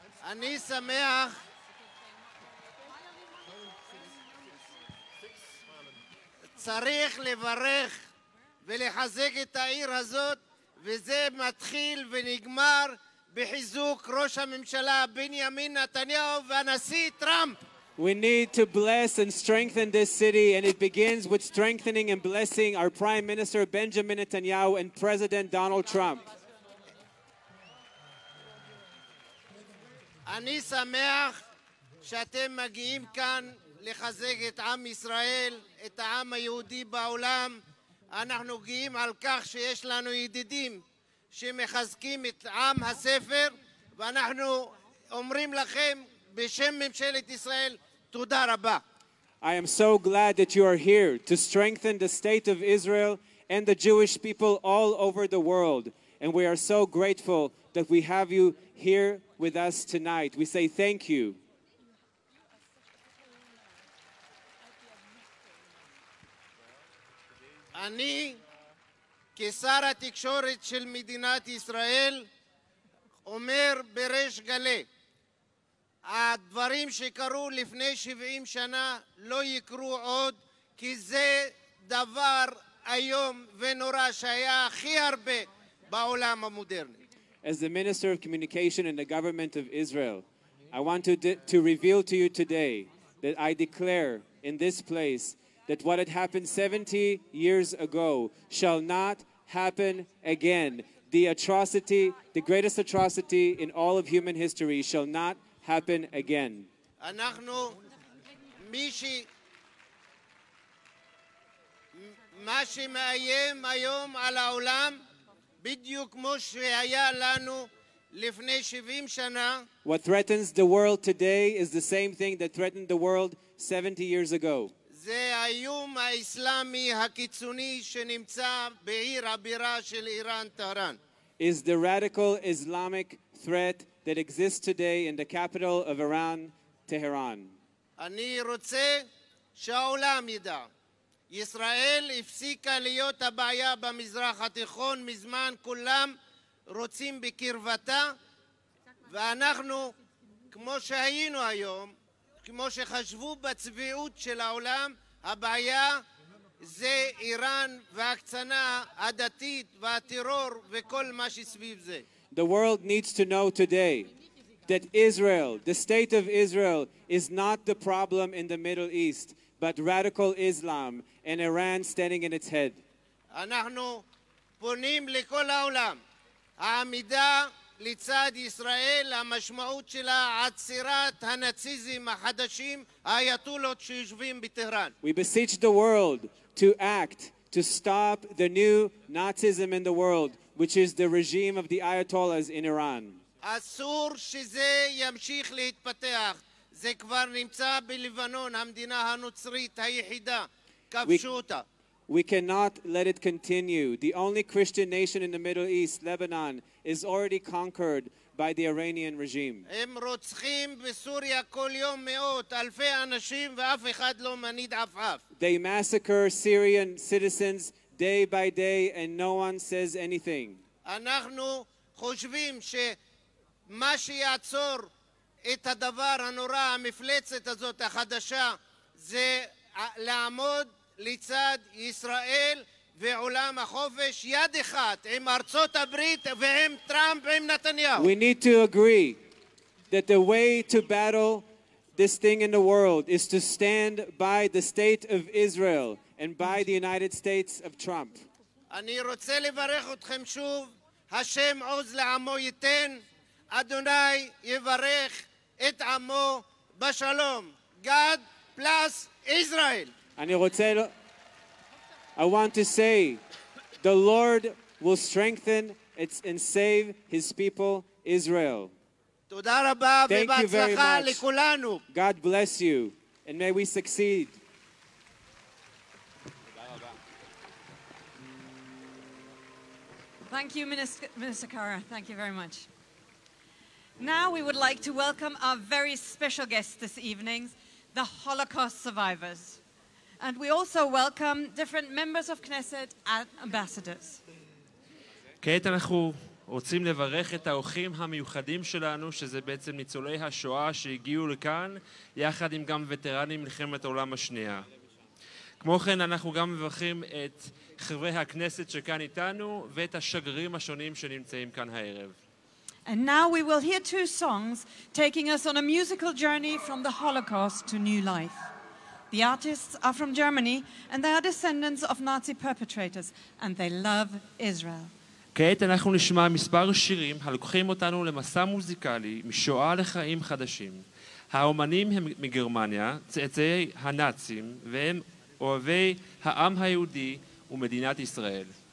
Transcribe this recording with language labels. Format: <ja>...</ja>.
<he>אני שמח צריך לברך ולחזק את העיר הזאת, וזה מתחיל ונגמר בחיזוק ראש הממשלה בנימין נתניהו והנשיא טראמפ.</he> <en>We need to bless and strengthen this city, and it begins with strengthening and blessing our Prime Minister Benjamin Netanyahu and President Donald Trump.</en> <he>אני שמח שאתם מגיעים כאן לחזק את עם ישראל, את העם היהודי בעולם. אנחנו גאים על כך שיש לנו ידידים שמחזקים את עם הספר, ואנחנו אומרים לכם בשם ממשלת ישראל, תודה רבה.</he> <en>I am so glad that you are here to strengthen the state of Israel and the Jewish people all over the world. And we are so grateful that we have you here with us tonight. We say thank you.</en> <he>אני כשר התקשורת של מדינת ישראל אומר בריש גלי, הדברים שקרו לפני 70 שנה לא יקרו עוד, כי זה דבר איום ונורא שהיה הכי הרבה בעולם המודרני.</he> <en>As the Minister of Communication in the Government of Israel, I want to reveal to you today that I declare in this place that what had happened 70 years ago shall not happen again. The atrocity, the greatest atrocity in all of human history, shall not happen again.</en> <he>אנחנו מישי מאשי מאיים היום על העולם בדיוק כמו שהיה לנו לפני 70 שנה.</he> <en>What threatens the world today is the same thing that threatened the world 70 years ago.</en> <he>זה האיום האסלאמי הקיצוני שנמצא בעיר הבירה של איראן, טהרן.</he> <en>Is the radical Islamic threat that exists today in the capital of Iran, Tehran.</en> <he>אני רוצה שהעולם ידע. ישראל הפסיקה להיות הבעיה במזרח התיכון מזמן, כולם רוצים בקרבתה, ואנחנו, כמו שהיינו היום, כמו שחשבו בצביעות של העולם, הבעיה זה איראן והקצנה הדתית והטרור וכל מה שסביב זה.</he> <en>The world needs to know today that Israel, the state of Israel, is not the problem in the Middle East, but radical Islam and Iran standing in its head.</en> <he>אנחנו פונים לכל העולם, העמידה לצד ישראל, המשמעות שלה עצירת הנאציזם החדשים, האייתולות שיושבים בטהרן.</he> <en>We beseech the world to act to stop the new Nazism in the world, which is the regime of the Ayatollahs in Iran.</en> <he>אסור שזה ימשיך להתפתח. זה כבר נמצא בלבנון, המדינה הנוצרית היחידה. כבשו אותה.</he> <en>We cannot let it continue. The only Christian nation in the Middle East, Lebanon, is already conquered by the Iranian regime.</en> <he>הם רוצחים בסוריה כל יום מאות, אלפי אנשים, ואף אחד לא מניד עפעף.</he> <en>They massacre Syrian citizens day by day, and no one says anything.</en> <he>אנחנו חושבים שמה שיעצור את הדבר הנורא, המפלצת הזאת החדשה, זה לעמוד לצד ישראל ועולם החופש יד אחד עם ארצות הברית ועם טראמפ ועם נתניהו.</he> <en>We need to agree that the way to battle this thing in the world is to stand by the state of Israel and by the United States of Trump.</en> <he>אני רוצה לברך אתכם שוב, השם עוז לעמו ייתן, אדוני יברך את עמו בשלום.</he> <en>God bless Israel. I want to say the Lord will strengthen and save his people Israel.</en> <he>תודה רבה ובהצלחה לכולנו.</he> <en>God bless you and may we succeed. Thank you, Minister Kara. Thank you very much. Now we would like to welcome our very special guests this evening, the Holocaust survivors. And we also welcome different members of Knesset and ambassadors.</en> <he>כעת אנחנו רוצים לברך את האורחים המיוחדים שלנו, שזה בעצם ניצולי השואה שהגיעו לכאן, יחד עם גם וטרנים מלחמת העולם השנייה. כמו כן, אנחנו גם מברכים את חברי הכנסת שכאן איתנו ואת השגרירים השונים שנמצאים כאן הערב.</he> <en>And now we will hear two songs taking us on a musical journey from the Holocaust to new life. The artists are from Germany and they are descendants of Nazi perpetrators and they love Israel.</en> <he>כעת אנחנו נשמע מספר שירים הלוקחים אותנו למסע מוזיקלי משואה לחיים חדשים. האומנים הם מגרמניה, צאצאי הנאצים והם אוהבי העם היהודי ומדינת ישראל.</he>